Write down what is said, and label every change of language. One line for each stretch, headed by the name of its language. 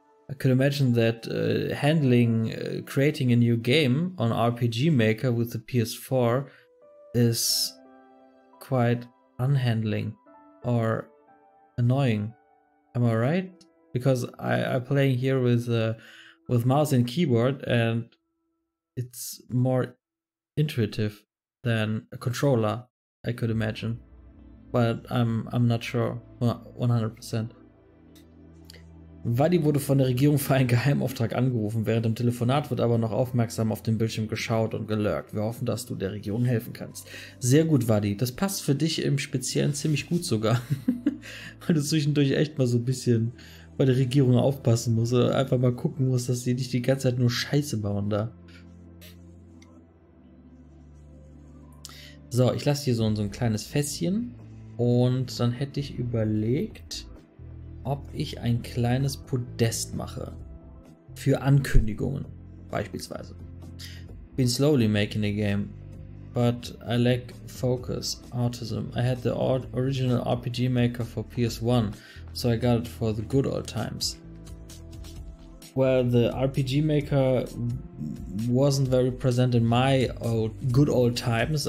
English: I could imagine that handling, creating a new game on RPG Maker with the PS4 is quite unhandling or annoying, am I right? Because I'm playing here with mouse and keyboard, and it's more intuitive than a controller, I could imagine, but I'm not sure 100%.
German: Wadi wurde von der Regierung für einen Geheimauftrag angerufen. Während dem Telefonat wird aber noch aufmerksam auf den Bildschirm geschaut und gelurkt. Wir hoffen, dass du der Regierung helfen kannst. Sehr gut, Wadi. Das passt für dich im Speziellen ziemlich gut sogar. Weil du zwischendurch echt mal so ein bisschen bei der Regierung aufpassen musst. Oder einfach mal gucken musst, dass sie nicht die ganze Zeit nur Scheiße bauen da. So, ich lasse hier so ein kleines Fässchen. Und dann hätte ich überlegt, ob ich ein kleines Podest mache für Ankündigungen beispielsweise.
English: Been slowly making a game, but I lack focus, autism. I had the original RPG Maker for PS1, so I got it for the good old times. Well, the RPG Maker wasn't very present in my old good old times.